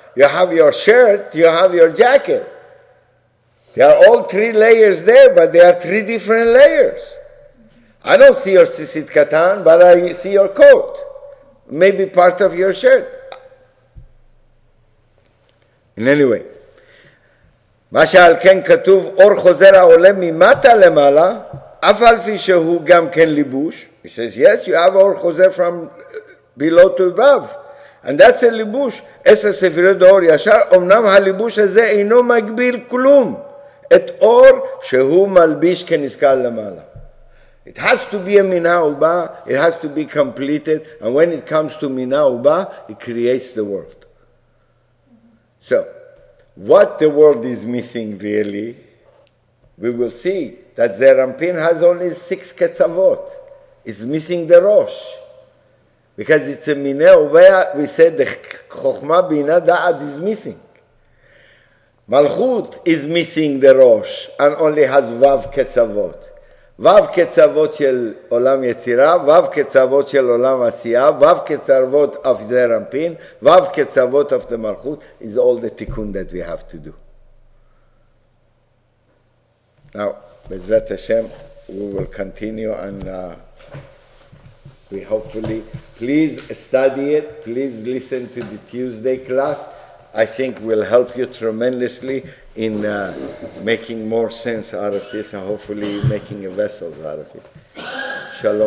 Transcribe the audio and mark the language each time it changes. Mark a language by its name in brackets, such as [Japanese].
[English] You have your shirt. You have your jacket. They are all 3 layers there, but they are 3 different layers. I don't see your tzitzit katan, but I see your coat. Maybe part of your shirt. In any way. [Hebrew] מה שעל כן כתוב, אור חוזר העולה ממטה למעלה, אף על פי שהוא גם כן ליבוש. [English] He says, yes, you have אור חוזר from below to above. And that's a ליבוש. [Hebrew] 10 ספירי דור ישר, אמנם הליבוש הזה אינו מגביל כלום. את אור שהוא מלביש כנזכר למעלה. [English] It has to be a mina uba, it has to be completed, and when it comes to mina uba, it creates the world. So, what the world is missing really, we will see that Zerampin has only 6 ketzavot. It's missing the rosh. Because it's a mina uba, we said the chokhma bina da'ad is missing. Malchut is missing the rosh, and only has vav ketzavot. [Hebrew] וו כצוות של עולם יצירה, וו כצוות של עולם עשייה, וו כצוות of the רמפין, וו כצוות of the מלכות, [English] is all the [Hebrew] תיקון [English] that we have to do. Now, Bezrat Hashem, we will continue and we hopefully, please study it, please listen to the Tuesday class. I think will help you tremendously in making more sense out of this and hopefully making vessels out of it. Shalom.